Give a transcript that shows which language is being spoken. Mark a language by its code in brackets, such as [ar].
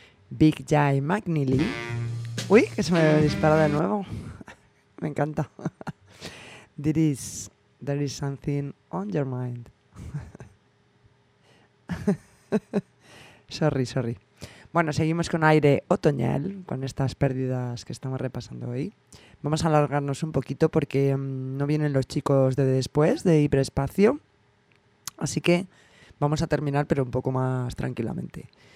[es] Big Jay McNeely. Uy, que se me dispara de nuevo. Me encanta. [en] There is something on your mind. Sorry. [es] Bueno, seguimos con aire otoñal, con estas pérdidas que estamos repasando hoy. Vamos a alargarnos un poquito porque no vienen los chicos de después, de hiperespacio. Así que vamos a terminar, pero un poco más tranquilamente.